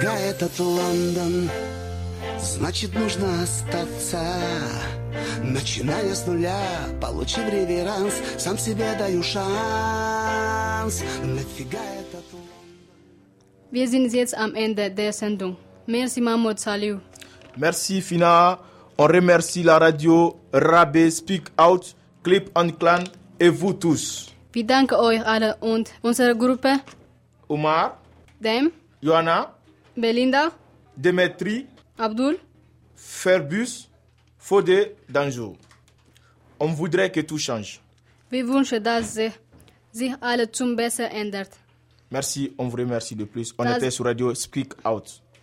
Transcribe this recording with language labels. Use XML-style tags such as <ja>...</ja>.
<ru>Этот Лондон, значит, нужно остаться. Начиная с нуля, получив реверанс, сам себе даю шанс. Нафига этот Лондон?</ru> <de>Wir sind jetzt am Ende der Sendung.</de> <fr>Merci, Mahmoud Saliou. Merci, Fina. On remercie la radio Rabé, Speak Out, Clip and Clan et vous tous.</fr> <de>Wir danken euch alle und unsere Gruppe. Omar. Dem. Johanna. Belinda, Demetri, Abdul, Ferbus, Fode, Danjo.</de> <fr>On voudrait que tout change.</fr> <de>Wir wünschen, dass sich alles zum Besseren ändert.</de> <fr>Merci, on vous remercie de plus. On était sur Radio Speak Out.</fr>